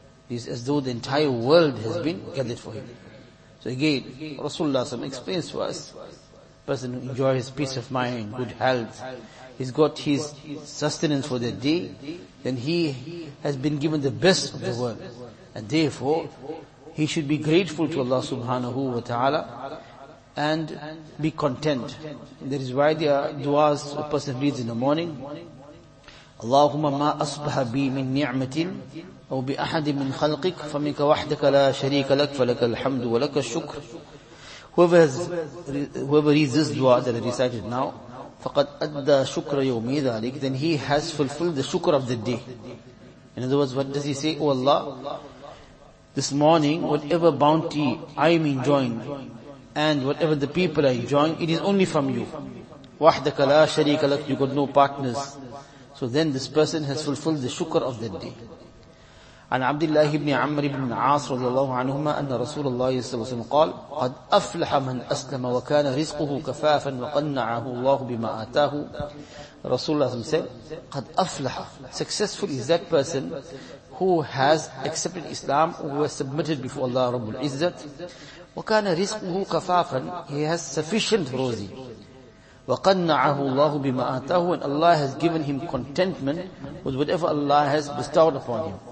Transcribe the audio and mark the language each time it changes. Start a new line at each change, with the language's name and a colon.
English: It is as though the entire world has been gathered for him. So again, Rasulullah SAW explains to us, person who enjoys his peace of mind, good health, he's got his sustenance for the day, then he has been given the best of the world. And therefore, he should be grateful to Allah subhanahu wa ta'ala and be content. And that is why there are du'as a person reads in the morning.
Arabic: Allahumma ma asbaha bi min ni'matin أو بأحد من خلقك فمنك وحدك لا شريك لك فلك الحمد ولك الشكر.
English: Whoever reads this dua that I recited now, فقد أدى شكر يومي ذلك, then he has fulfilled the shukr of the day. In other words, what does he say? Oh Allah, this morning whatever bounty I'm enjoying and whatever the people are enjoying, it is only from you.
Arabic: وحدك لا شريك لك,
English: you got no partners. So then this person has fulfilled the shukr of the day.
Arabic: عن عبد الله بن عمر بن العاص رضي الله عنهما أن رسول الله صلى الله عليه وسلم قال قد أفلح من أسلم وكان رزقه كفافا وقنعه الله بما آتاه.
English: رسول الله صلى الله عليه وسلم said
Arabic: قد أفلح,
English: successful is that person who has accepted Islam, who has submitted before Allah رب العزة.
Arabic: وكان رزقه كفافا,
English: he has sufficient rosy.
Arabic: وَقَنَّعَهُ اللَّهُ بِمَا آتَاهُ,
English: and Allah has given him contentment with whatever Allah has bestowed upon him.